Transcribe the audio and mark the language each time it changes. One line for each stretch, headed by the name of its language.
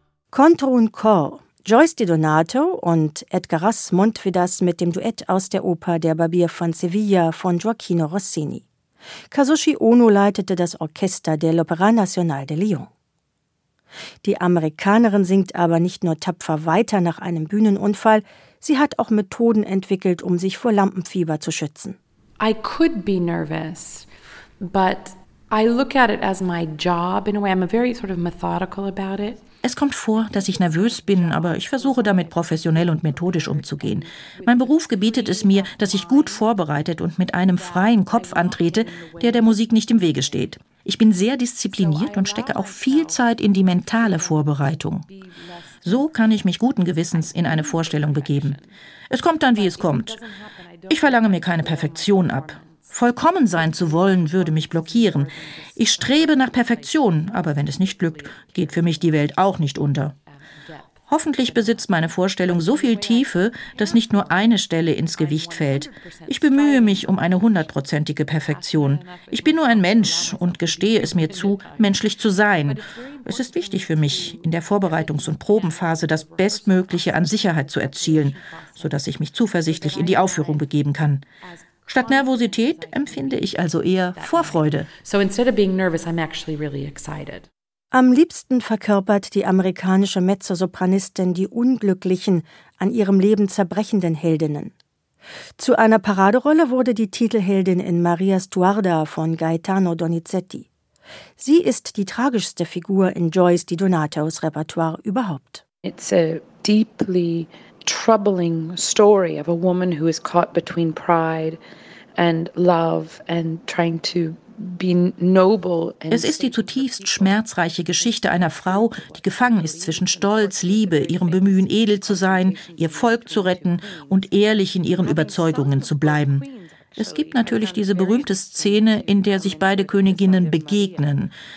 German: Contro un Cor, Joyce Di Donato und Edgaras Montvidas mit dem Duett aus der Oper Der Barbier von Sevilla von Gioachino Rossini. Kazushi Ono leitete das Orchester der L'Opéra National de Lyon. Die Amerikanerin singt aber nicht nur tapfer weiter nach einem Bühnenunfall, sie hat auch Methoden entwickelt, um sich vor Lampenfieber zu schützen.
English: I could be nervous, but I look at it as my job in a way. I'm very sort of methodical about it.
German: Es kommt vor, dass ich nervös bin, aber ich versuche damit professionell und methodisch umzugehen. Mein Beruf gebietet es mir, dass ich gut vorbereitet und mit einem freien Kopf antrete, der der Musik nicht im Wege steht. Ich bin sehr diszipliniert und stecke auch viel Zeit in die mentale Vorbereitung. So kann ich mich guten Gewissens in eine Vorstellung begeben. Es kommt dann, wie es kommt. Ich verlange mir keine Perfektion ab. Vollkommen sein zu wollen, würde mich blockieren. Ich strebe nach Perfektion, aber wenn es nicht glückt, geht für mich die Welt auch nicht unter. Hoffentlich besitzt meine Vorstellung so viel Tiefe, dass nicht nur eine Stelle ins Gewicht fällt. Ich bemühe mich um eine hundertprozentige Perfektion. Ich bin nur ein Mensch und gestehe es mir zu, menschlich zu sein. Es ist wichtig für mich, in der Vorbereitungs- und Probenphase das Bestmögliche an Sicherheit zu erzielen, sodass ich mich zuversichtlich in die Aufführung begeben kann. Statt Nervosität empfinde ich also eher Vorfreude.
English: So instead of being nervous, I'm actually really excited.
German: Am liebsten verkörpert die amerikanische Mezzosopranistin die unglücklichen, an ihrem Leben zerbrechenden Heldinnen. Zu einer Paraderolle wurde die Titelheldin in Maria Stuarda von Gaetano Donizetti. Sie ist die tragischste Figur in Joyce Di Donatos Repertoire überhaupt.
English: It's a deeply troubling story of a woman who is caught between pride and love and trying to be noble.
German: Es ist die zutiefst schmerzreiche Geschichte einer Frau, die gefangen ist zwischen Stolz, Liebe, ihrem Bemühen, edel zu sein, ihr Volk zu retten und ehrlich in ihren Überzeugungen zu bleiben. Es gibt natürlich diese berühmte Szene, in der sich beide Königinnen begegnen.